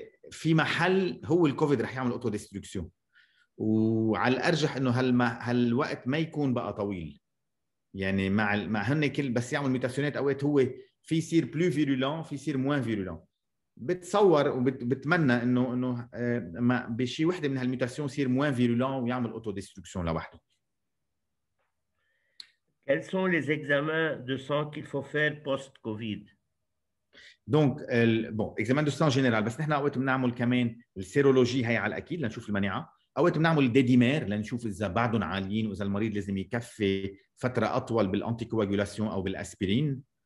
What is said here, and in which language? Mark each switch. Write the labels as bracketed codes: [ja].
[ar] في محل هو الكوفيد رح يعمل اوتو ديستركسيون وعلى الارجح انه هالوقت ما يكون بقى طويل يعني مع هن كل بس يعمل ميوتاسيونات اوقات هو في يصير بلو فيرولان في يصير موان فيرولان بتصور وبتمنى انه ما بشي وحده من هالميوتاسيون يصير موان فيرولان ويعمل اوتو ديستركسيون لوحده. [fr] Quels sont les examens de sang qu'il faut faire post-COVID? Donc, bon, examen de sang général. [ar] بس نحن اوقات بنعمل كمان السيرولوجي هي على الاكيد لنشوف المناعه. اوقات بنعمل ديديمير لنشوف اذا بعدهم عاليين واذا المريض لازم يكفي فتره اطول بالانتي كواجولاسيون او بالاسبرين.